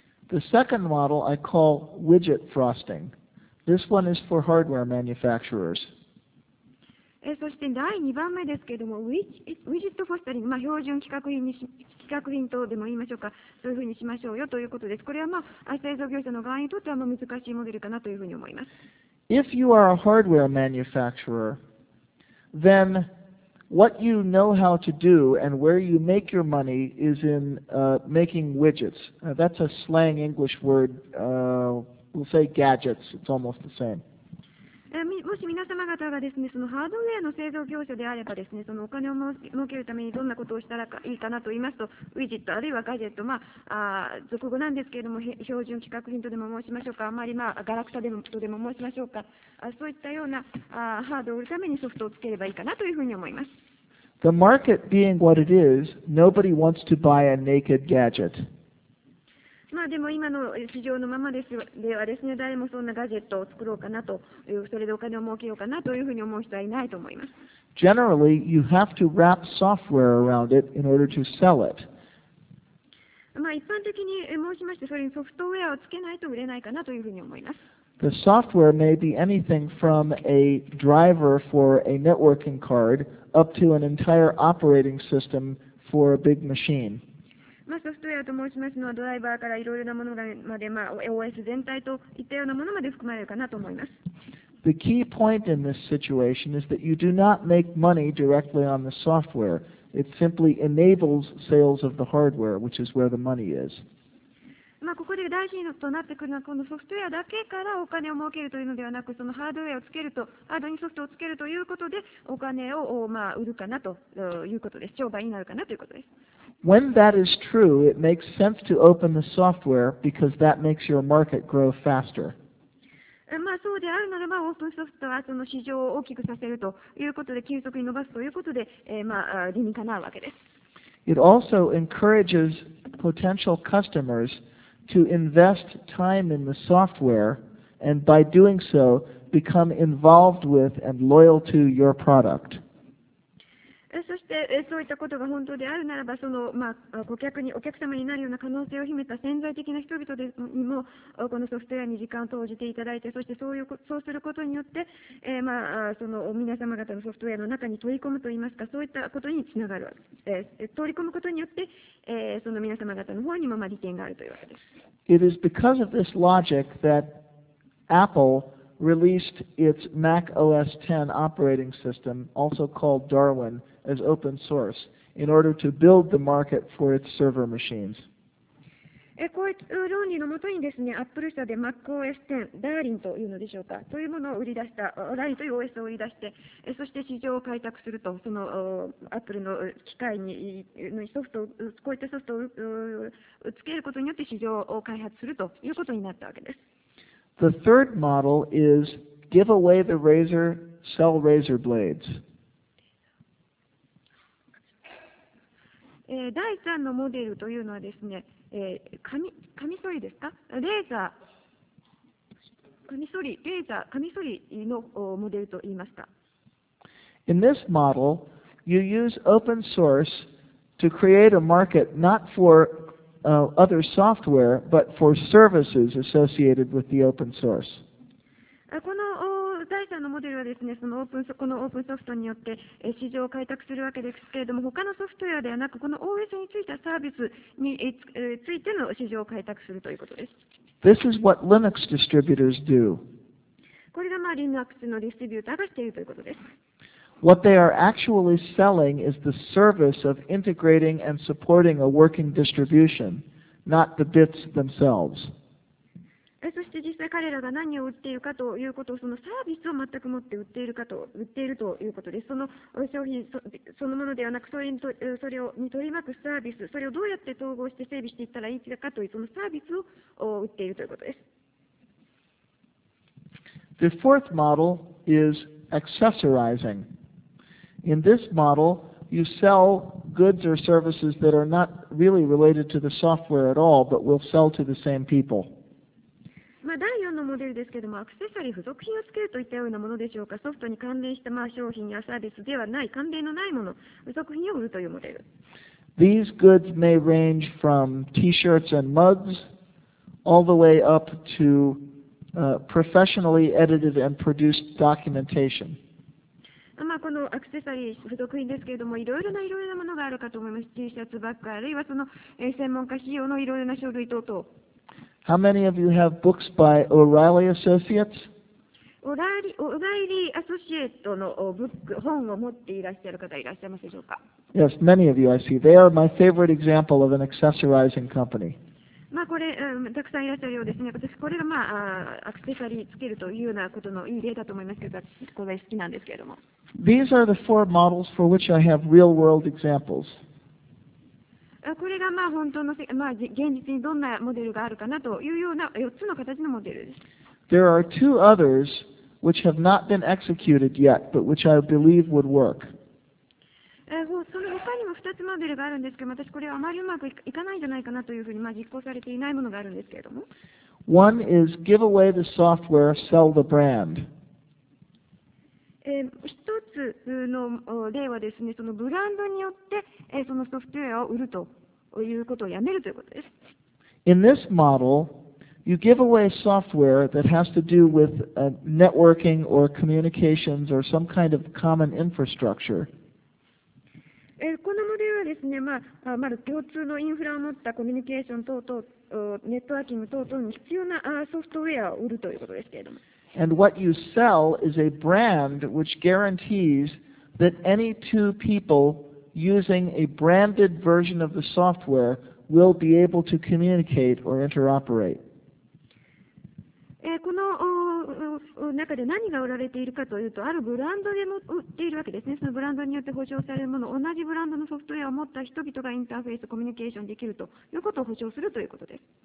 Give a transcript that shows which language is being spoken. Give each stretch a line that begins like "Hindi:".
English: The second model I call widget frosting. This one is for hardware manufacturers.
Japanese: そして第2番目ですけれども、ウィジェットフォスタリング、まあ、標準規格品に企画品とでも言いましょうか、そういうふうにしましょうよということです。これは、まあ、製造業者の側にとっては難しいモデルかなというふうに思います。
English: If you are a hardware manufacturer, then what you know how to do and where you make your money is in making widgets. That's a slang English word. We'll say gadgets. It's almost the same.
Japanese: もし皆様方がですね、そのハードウェアの製造業者であればですね、そのお金を儲けるためにどんなことをしたらいいかなと言いますと、ウィジェットあるいはガジェット、まあ、俗語なんですけれども、標準規格品とでも申しましょうか、あまり、まあ、ガラクタでもとでも申しましょうか、そういったようなハードを売るためにソフトをつければいいかなというふうに思います。
English: The market being what it is, nobody wants to buy a naked gadget.
Japanese: まあ、でも今の市場のままですではですね、誰もそんなガジェットを作ろうかなと、それでお金を儲けようかなというふうに思う人はいないと思います。
English: Generally, you have to wrap software around it in order to sell it.
Japanese: まあ一般的に申しまして、それにソフトウェアをつけないと売れないかなというふうに思います。
English: The software may be anything from a driver for a networking card up to an entire operating system for a big machine.
Japanese: まあ、ソフトウェアと申しますのはドライバーからいろいろなものまで、まあ、OS 全体といったようなものまで含まれるかなと思います。
English: The key point in this situation is that you do not make money directly on the software. It simply enables sales of the hardware, which is where the money is.
Japanese: まあ、ここで大事となってくるのは、このソフトウェアだけからお金を儲けるというのではなく、そのハードウェアをつけると、ハードにソフトをつけるということで、お金をまあ売るかなということです。商売になるかなということです。
English: When that is true, it makes sense to open the software because that makes your market grow faster.
Japanese: まあそうであるならば、オープンソフトはその市場を大きくさせるということで、急速に伸ばすということで、まあ理にかなうわけです。
English: It also encourages potential customers to invest time in the software and by doing so become involved with and loyal to your product.
Japanese: そしてそういったことが本当であるならば、その、まあ、顧客にお客様になるような可能性を秘めた潜在的な人々でにもこのソフトウェアに時間を投じていただいて、そしてそうすることによって、まあ、その皆様方のソフトウェアの中に取り込むといいますか、そういったことにつながる、取り込むことによって、その皆様方の方にも利点があるというわけです。
English: It is because of this logic that AppleReleased its Mac OS X operating system, also called Darwin, as open source, in order to build the market for its server machines.
Japanese: こういう論理のもとにですね、Apple 社で Mac OS X、Darwin というのでしょうか、というものを売り出した、Darwin という OS を売り出して、そして市場を開拓すると、その Apple の機械にソフトを、こういったソフトをつけることによって市場を開発するということになったわけです。
English: The third model is give away the razor, sell razor blades.
Japanese: 第3のモデルというのはですね、カミソリですか？レーザー。カミソリ、レーザー、カミソリのモデルと言いました。
English: In this model, you use open source to create a market not forother software, but for services associated with the open source.
Japanese: この第3のモデルはですね、そのこのオープンソフトによって市場を開拓するわけですけれども、他のソフトウェアではなく、この OS についたサービスについての市場を開拓するということです。
English: This is what Linux distributors do.
Japanese: これがまあ Linux のディストリビューターがしているということです。
English: What they are actually selling is the service of integrating and supporting a working distribution, not the bits themselves.
Japanese: そして実際彼らが何を売っているかということを、そのサービスを全く持って売っているということです。その商品そのものではなく、それに取り巻くサービス、それをどうやって統合して整備していったらいいかという、そのサービスを売っているということです。
English: The fourth model is accessorizing. In this model, you sell goods or services that are not really related to the software at all, but will sell to the same people.
Japanese: まあ、第4のモデルですけれども、アクセサリー付属品をつけるといったようなものでしょうか、ソフトに関連したまあ商品やサービスではない、関連のないもの、付属品を売るというモデル。
English: These goods may range from T-shirts and mugs all the way up to professionally edited and produced documentation.
Japanese: まあ、このアクセサリー付属品ですけれども、いろいろなものがあるかと思います。 T シャツ、バッグ、あるいはその専門家仕様のいろいろな書類等々。
English: How many of you have books by O'Reilly Associates?
Japanese: O'Reilly Associates の book, 本を持っていらっしゃる方いらっしゃいますでしょうか?
English: Yes, many of you I see. They are my favorite example of an accessorizing company.
Japanese: まあこれ、たくさんいらっしゃるようですね。私これがまあアクセサリーつけるというようなことのいい例だと思いますけど、私これ好きなんですけれども。
English: These are the four models for which I have real world examples.
Japanese: これがまあ本当の、まあ、現実にどんなモデルがあるかなというような4つの形のモデルです。
English: There are two others which have not been executed yet, but which I believe would work.
Japanese: その他にも2つモデルがあるんですけど、私これはあまりうまくいかないんじゃないかなというふうに、まあ、実行されていないものがあるんですけれども。
English: One is give away the software, sell the brand.
Japanese: 一つの例はですね、そのブランドによって、そのソフトウェアを売るということをやめるということです。
English: In this model, you give away software that has to do with networking or communications or some kind of common infrastructure.
Japanese: このモデルはですね、まあ、まだ共通のインフラを持ったコミュニケーション等々、ネットワーキング等々に必要なソフトウェアを売るということですけれども。
English: And what you sell is a brand which guarantees that any two people using a branded version of the software will be able to communicate or interoperate.
Japanese: この中で何が売られているかというと、あるブランドで売っているわけですね。そのブランドによって保証されるもの、同じブランドのソフトウェアを持った人々がインターフェース、コミュニケーションできるということを保証するということです。